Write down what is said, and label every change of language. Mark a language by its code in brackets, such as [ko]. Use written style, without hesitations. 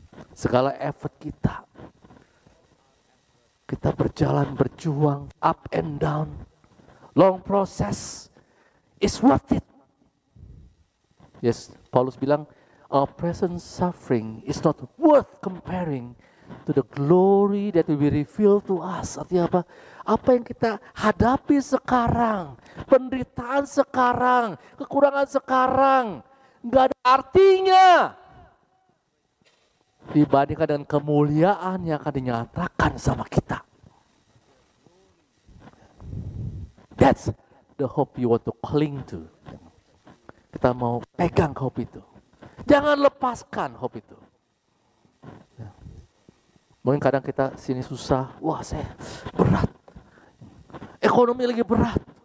[id] Segala effort kita, kita berjalan, berjuang, [en] up and down, long process, is worth it. Yes, [id] Paulus bilang, [en] our present suffering is not worth comparing to the glory that will be revealed to us. [id] Artinya apa? Apa yang kita hadapi sekarang, penderitaan sekarang, kekurangan sekarang, gak ada artinya dibandingkan dengan kemuliaan yang akan dinyatakan sama kita. [en] That's the hope you want to cling to. [id] Kita mau pegang hope itu. Jangan lepaskan hope itu. Mungkin kadang kita sini susah. Wah, saya berat. Ekonomi lagi berat.